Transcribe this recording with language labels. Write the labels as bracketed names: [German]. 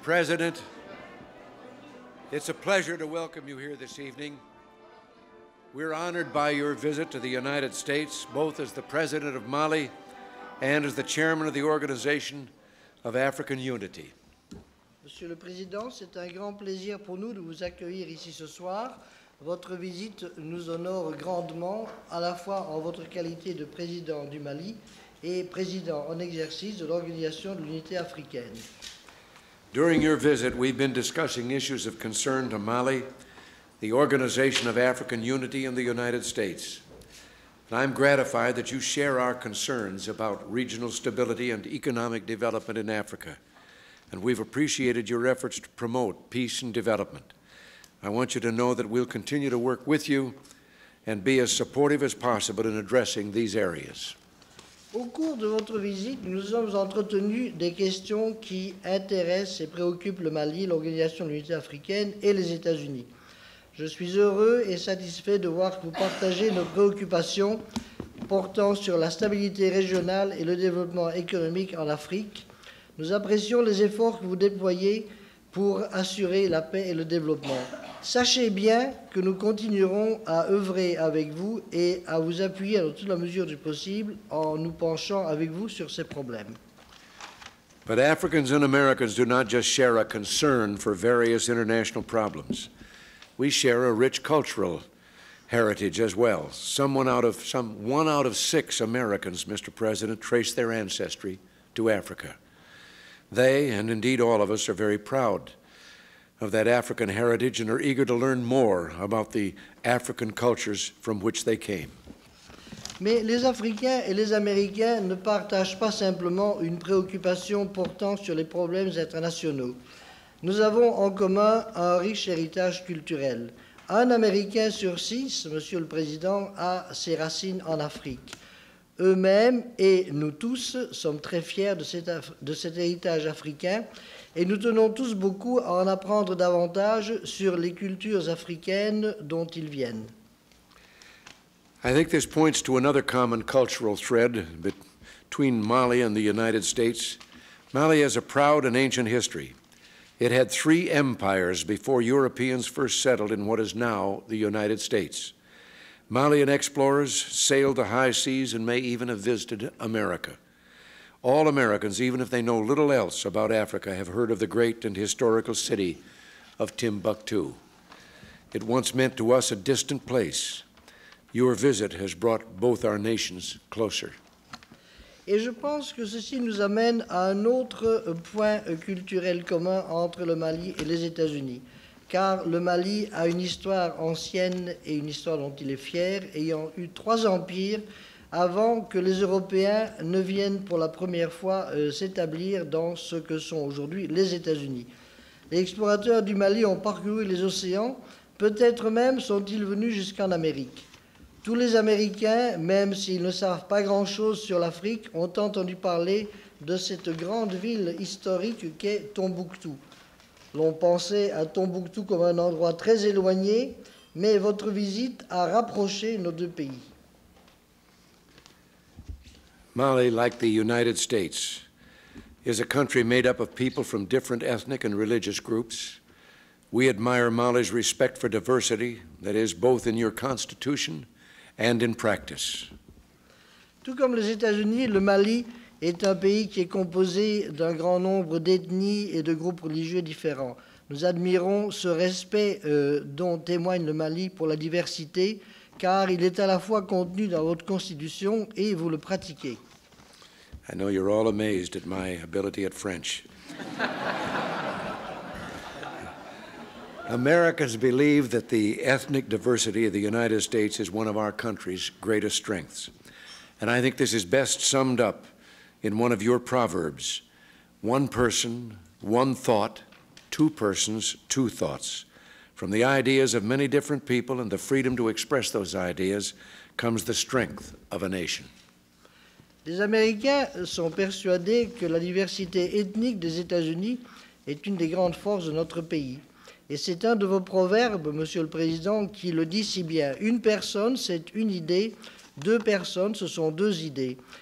[English] President, it's a pleasure to welcome you here this evening. We're honored by your visit to the United States, both as the President of Mali and as the Chairman of the Organization of African Unity. [French] Monsieur le Président, c'est un grand plaisir pour nous de vous accueillir ici ce soir. Votre visite nous honore grandement, à la fois en votre qualité de Président du Mali et Président en exercice de l'Organisation de l'Unité Africaine. [English] During your visit, we've been discussing issues of concern to Mali, the Organization of African Unity, and the United States. And I'm gratified that you share our concerns about regional stability and economic development in Africa. And we've appreciated your efforts to promote peace and development. I want you to know that we'll continue to work with you and be as supportive as possible in addressing these areas. [French] Au cours de votre visite, nous sommes entretenus des questions qui intéressent et préoccupent le Mali, l'Organisation de l'Unité africaine et les États-Unis. Je suis heureux et satisfait de voir que vous partagez nos préoccupations portant sur la stabilité régionale et le développement économique en Afrique. Nous apprécions les efforts que vous déployez pour assurer la paix et le développement. Sachez bien que nous continuerons à œuvrer avec vous et à vous appuyer dans toute la mesure du possible en nous penchant avec vous sur ces problèmes. [English] But Africans and Americans do not just share a concern for various international problems. We share a rich cultural heritage as well. One out of six Americans, Mr. President, trace their ancestry to Africa. They, and indeed all of us, are very proud of that African heritage and are eager to learn more about the African cultures from which they came. [French] Mais les Africains et les Américains ne partagent pas simplement une préoccupation portant sur les problèmes internationaux. Nous avons en commun un riche héritage culturel. Un Américain sur six, Monsieur le Président, a ses racines en Afrique. Eux-mêmes et nous tous sommes très fiers de cet héritage africain et nous tenons tous beaucoup à en apprendre davantage sur les cultures africaines dont ils viennent. [English] I think this points to another common cultural thread between Mali and the United States. Mali has a proud and ancient history. It had three empires before Europeans first settled in what is now the United States. Malian explorers sailed the high seas and may even have visited America. All Americans, even if they know little else about Africa, have heard of the great and historical city of Timbuktu. It once meant to us a distant place. Your visit has brought both our nations closer. [French] Et je pense que ceci nous amène à un autre point culturel commun entre le Mali et les États-Unis. Car le Mali a une histoire ancienne et une histoire dont il est fier, ayant eu trois empires avant que les Européens ne viennent pour la première fois s'établir dans ce que sont aujourd'hui les États-Unis. Les explorateurs du Mali ont parcouru les océans, peut-être même sont-ils venus jusqu'en Amérique. Tous les Américains, même s'ils ne savent pas grand-chose sur l'Afrique, ont entendu parler de cette grande ville historique qu'est Tombouctou. L'on pensait à Tombouctou comme un endroit très éloigné, mais votre visite a rapproché nos deux pays. [English] Mali, like the United States, is a country made up of people from different ethnic and religious groups. We admire Mali's respect for diversity, that is, both in your constitution and in practice. [French] Tout comme les États-Unis, le Mali est un pays qui est composé d'un grand nombre d'ethnies et de groupes religieux différents. Nous admirons ce respect dont témoigne le Mali pour la diversité, car il est à la fois contenu dans votre constitution et vous le pratiquez. [English] I know you're all amazed at my ability at French. Americans believe that the ethnic diversity of the United States is one of our country's greatest strengths. And I think this is best summed up in one of your proverbs. One person, one thought, two persons, two thoughts. From the ideas of many different people and the freedom to express those ideas comes the strength of a nation. [French] Les Américains sont persuadés que la diversité ethnique des États-Unis est une des grandes forces de notre pays. Et c'est un de vos proverbes, Monsieur le Président, qui le dit si bien. Une personne, c'est une idée. Deux personnes, ce sont deux idées.